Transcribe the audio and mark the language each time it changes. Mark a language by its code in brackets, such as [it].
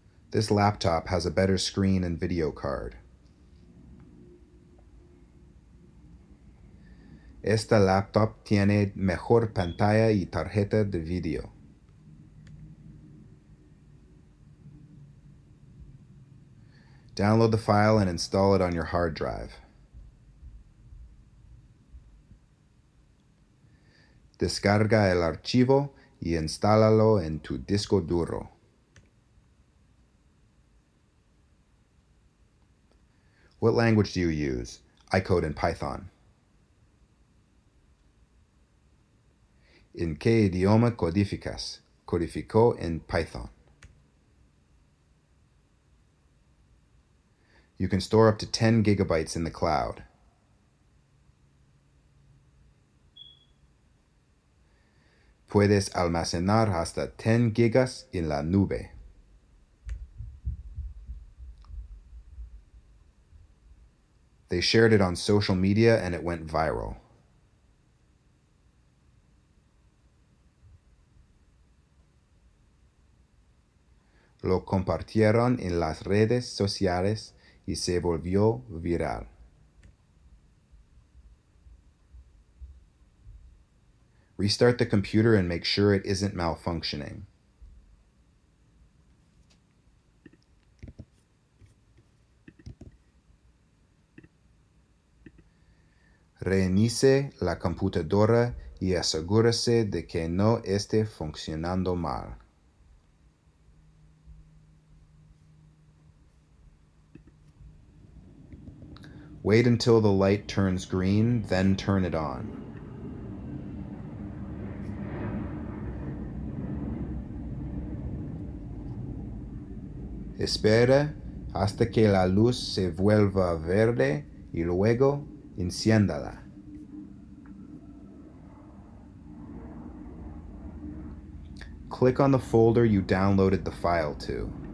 [en] This laptop has a better screen and video card. [es] Esta laptop tiene mejor pantalla y tarjeta de video. [en] Download the file and install it on your hard drive. [es] Descarga el archivo y instálalo en tu disco duro. [en] What language do you use? I code in Python. [es] ¿En qué idioma codificas? Codifico en Python. [en] You can store up to 10 gigabytes in the cloud. [es] Puedes almacenar hasta 10 gigas en la nube. [en] They shared it on social media and it went viral. [es] Lo compartieron en las redes sociales y se volvió viral. [en] Restart the computer and make sure it isn't malfunctioning. [es] Reinicie la computadora y asegúrese de que no esté funcionando mal. [en] Wait until the light turns green, then turn it on. [es] Espera hasta que la luz se vuelva verde y luego enciéndala. [en] Click on the folder you downloaded the file to.